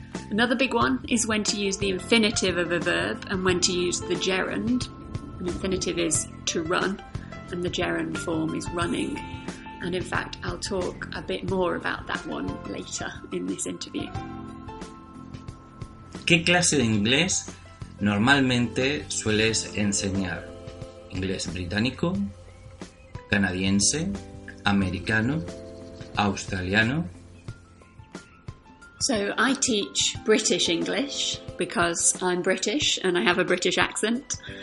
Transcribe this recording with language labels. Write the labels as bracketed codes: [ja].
[en] Another big one is when to use the infinitive of a verb and when to use the gerund. The infinitive is to run, and the gerund form is running. And in fact, I'll talk a bit more about that one later in this interview. [es] ¿Qué clase de inglés Normalmente sueles enseñar inglés británico, canadiense, americano, australiano. [en] So I teach British English because I'm British and I have a British accent.